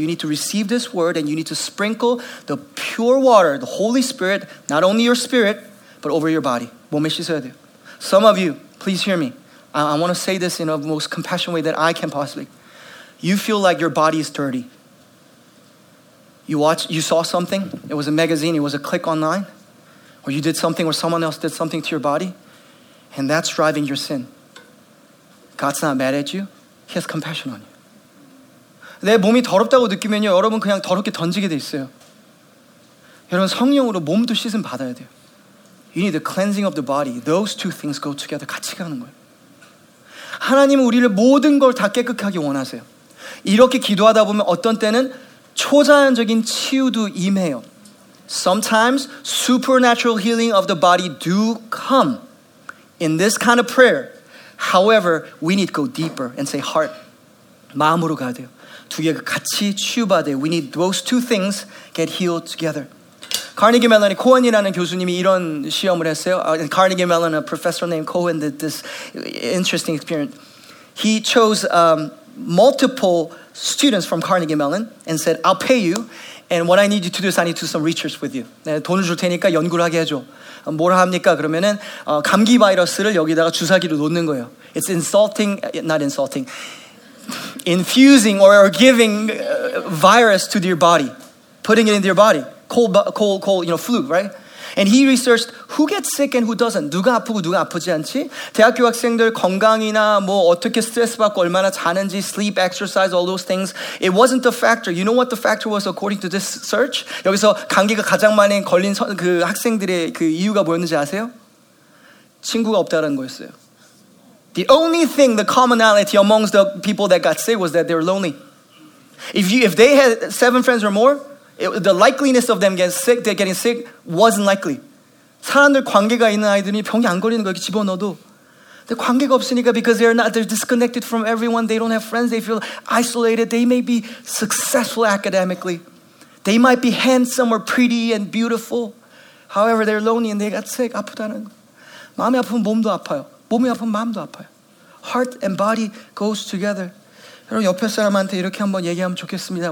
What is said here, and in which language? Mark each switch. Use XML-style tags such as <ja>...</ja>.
<en>You need to receive this word and you need to sprinkle the pure water, the Holy Spirit, not only your spirit, but over your body.</en> <ko>몸에 씻어야 돼요.</ko> <en>Some of you, please hear me. I want to say this in a most compassionate way that I can possibly. You feel like your body is dirty. You saw something. It was a magazine. It was a click online. Or you did something or someone else did something to your body. And that's driving your sin. God's not mad at you. He has compassion on you.</en> <ko>내 몸이 더럽다고 느끼면요, 여러분 그냥 더럽게 던지게 돼 있어요. 여러분 성령으로 몸도 씻음 받아야 돼요.</ko> <en>You need the cleansing of the body. Those two things go together.</en> <ko>같이 가는 거예요. 하나님은 우리를 모든 걸 다 깨끗하게 원하세요. 이렇게 기도하다 보면 어떤 때는 초자연적인 치유도 임해요.</ko> <en>Sometimes supernatural healing of the body do come in this kind of prayer. However, we need to go deeper and say heart.</en> <ko>마음으로 가야 돼요. 두 개가 같이 치유받아요.</ko> <en>We need those two things get healed together.</en> <ko>카니기 멜론의 코헨이라는 교수님이 이런 시험을 했어요.</ko> <en>Carnegie Mellon, a professor named Cohen, did this interesting experience. He chose multiple students from Carnegie Mellon and said, I'll pay you, and what I need you to do is I need to do some research with you.</en> <ko>네, 돈을 줄 테니까 연구를 하게 해줘. 뭐라 합니까? 그러면은 감기 바이러스를 여기다가 주사기로 놓는 거예요.</ko> <en>It's insulting, not insulting. Infusing or giving virus to your body. Putting it into your body. Cold, you know, flu, right? And he researched who gets sick and who doesn't.</en> <ko>누가 아프고 누가 아프지 않지? 대학교 학생들 건강이나 뭐 어떻게 스트레스 받고 얼마나 자는지,</ko> <en>sleep, exercise, all those things. It wasn't the factor.</en> <ko>You know what the factor was according to this search? 여기서 감기가 가장 많이 걸린 그 학생들의 그 이유가 뭐였는지 아세요? 친구가 없다라는 거였어요.</ko> <en>The only thing, the commonality amongst the people that got sick was that they were lonely. If they had 7 friends or more, the likeliness of them getting sick wasn't likely.</en> <ko>사람들 관계가 있는 아이들이 병이 안 걸리는 거 이렇게 집어넣어도 근데 관계가 없으니까</ko> <en>because they're disconnected from everyone. They don't have friends. They feel isolated. They may be successful academically. They might be handsome or pretty and beautiful. However, they're lonely and they got sick.</en> <ko>아프다는 거. 마음이 아프면 몸도 아파요. 몸이 아프면 마음도 아파요.</ko> <en>Heart and body goes together.</en> <ko>여러분 옆에 사람한테 이렇게 한번 얘기하면 좋겠습니다.</ko>